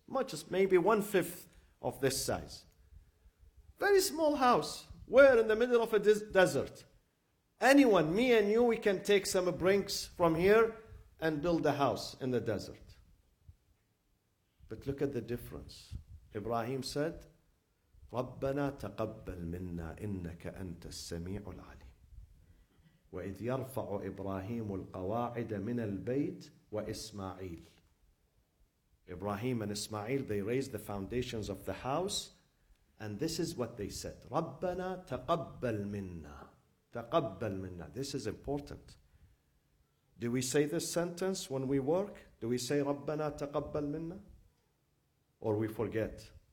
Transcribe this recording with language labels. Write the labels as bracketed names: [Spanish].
[English] Much, maybe 1/5 of this size. Very small house. Where? In the middle of a desert. Anyone, me and you, we can take some brinks from here and build a house in the desert. But look at the difference. Ibrahim said, [Arabic] رَبَّنَا تَقَبَّلْ مِنَّا إِنَّكَ أَنْتَ السَّمِيعُ الْعَلِيمُ وَإِذْ يَرْفَعُ إِبْرَاهِيمُ الْقَوَاعِدَ مِنَ الْبَيْتِ وَإِسْمَعِيلِ. [English] Ibrahim and Ismail, they raised the foundations of the house, and this is what they said, [Arabic] رَبَّنَا تَقَبَّلْ مِنَّا. تقبل منا. [English] This is important. Do we say this sentence when we work? Do we say [Arabic] Rabbana taqabbal minna? [English] Or we forget?